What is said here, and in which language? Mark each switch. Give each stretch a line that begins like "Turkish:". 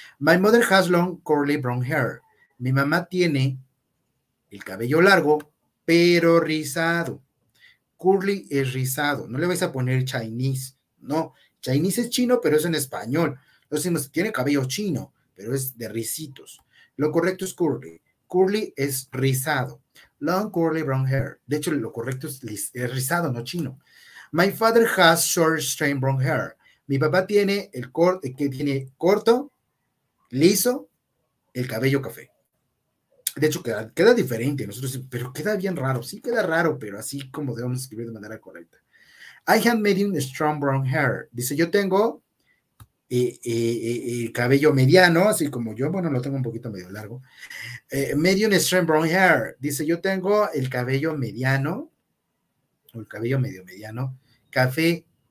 English: My mother has long curly brown hair.
Spanish: Mi mamá tiene el cabello largo, pero rizado. Curly es rizado. No le vais a poner Chinese. No, Chinese es chino, pero es en español. Lo decimos, tiene cabello chino, pero es de rizitos. Lo correcto es curly. Curly es rizado.
English: Long curly brown hair.
Spanish: De hecho, lo correcto es rizado, no chino.
English: My father has short straight brown hair.
Spanish: Mi papá tiene el corte, que tiene corto, liso, el cabello café. De hecho, queda diferente. Nosotros, pero queda bien raro. Sí queda raro, pero así como debemos escribir de manera correcta.
English: I have medium strong brown hair.
Spanish: Dice, yo tengo el cabello mediano, así como yo. Bueno, lo tengo un poquito medio largo.
English: Medium strong brown hair.
Spanish: Dice, yo tengo el cabello mediano, o el cabello medio mediano, café.